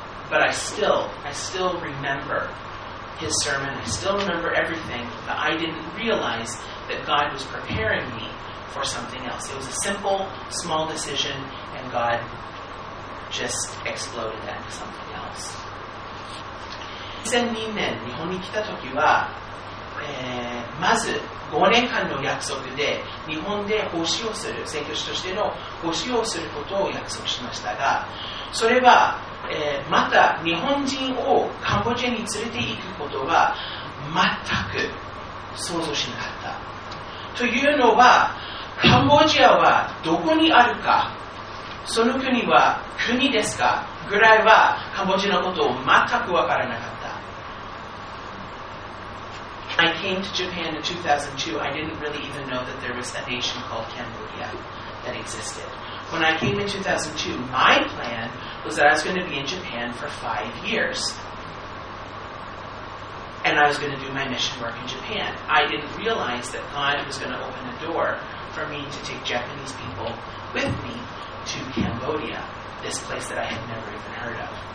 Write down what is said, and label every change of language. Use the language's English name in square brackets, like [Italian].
[English] But I still remember his sermon. I still remember everything, but I didn't realize that God was preparing me for something else. It was a simple, small decision, and God just exploded that into something else. [Japanese] 2002年、日本に来た時は、まず5年間の約束で日本で奉仕をする、宣教師としての奉仕をすることを約束しましたが、それは、また日本人をカンボジアに連れて行くことは全く想像しなかった。というのはカンボジアはどこにあるか、その国は国ですかぐらいはカンボジアのことを全く分からなかった。 [English] I came to Japan in 2002. I didn't really even know that there was a nation called Cambodia that existed. When I came in 2002, my plan was that I was going to be in Japan for 5 years. And I was going to do my mission work in Japan. I didn't realize that God was going to open a door for me to take Japanese people with me to Cambodia, this place that I had never even heard of.